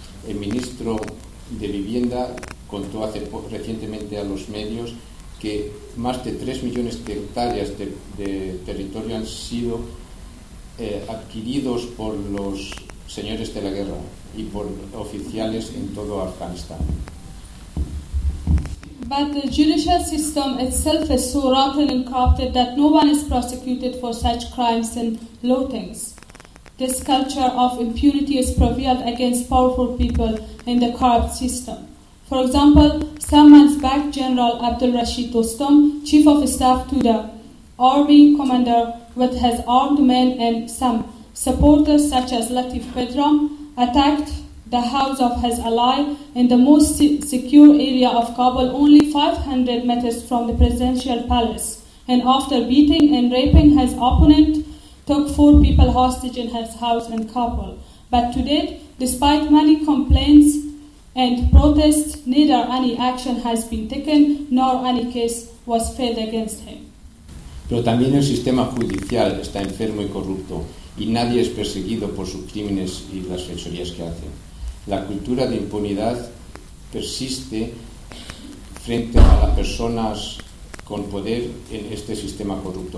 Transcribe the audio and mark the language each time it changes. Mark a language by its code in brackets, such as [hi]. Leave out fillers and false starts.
[es] El ministro de Vivienda contó hace recientemente a los medios que más de 3 millones de hectáreas de territorio han sido adquiridos por los señores de la guerra y por oficiales en todo Afganistán. [en] But the judicial system itself is so rotten and corrupted that no one is prosecuted for such crimes and lootings. This culture of impunity is prevailed against powerful people in the corrupt system. For example, some months back, General Abdul Rashid Dostum, chief of staff to the army commander with his armed men and some supporters such as Latif Bedram, attacked the house of his ally in the most secure area of Kabul, only 500 meters from the presidential palace. And after beating and raping his opponent, took 4 people hostage in his house in Kabul. But to date, despite many complaints and protests, neither any action has been taken, nor any case was filed against him. [es] Pero también el sistema judicial está enfermo y corrupto, y nadie es perseguido por sus crímenes y las fechorías que hace. La cultura de impunidad persiste frente a las personas con poder en este sistema corrupto.